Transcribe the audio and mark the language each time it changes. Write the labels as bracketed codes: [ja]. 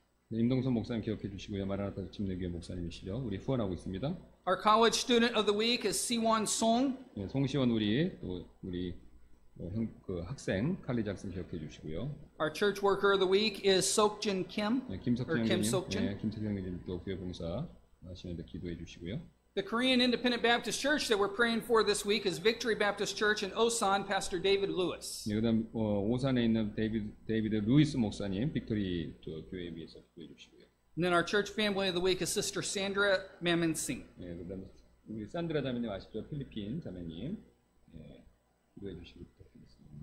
[ko] 네, 임동선 목사님 기억해 주시고요. 마라나타 침례교회 목사님이시죠. 우리 후원하고 있습니다. [en] Our college student of the week is Siwon Song. [ko] 네, 송시원 우리 또 우리 형, 그 학생 칼리지 학생 기억해 주시고요. [en] Our church worker of the week is Seokjin Kim. [ko] 네, 김석진 형님. 네, 김석진 형님 또 교회 봉사 하시는데 기도해 주시고요. [en] The Korean Independent Baptist Church that we're praying for this week is Victory Baptist Church in Osan, Pastor David Lewis. [ko] 네, 그다음 오산에 있는 데이비드 루이스 목사님, 빅토리 교회에 비해서 기도해 주시고요. [en] And then our church family of the week is Sister Sandra Mamensing. [ko] 네, 그다음 우리 산드라 자매님 아시죠? 필리핀 자매님. 네, 기도해 주시기 바랍니다.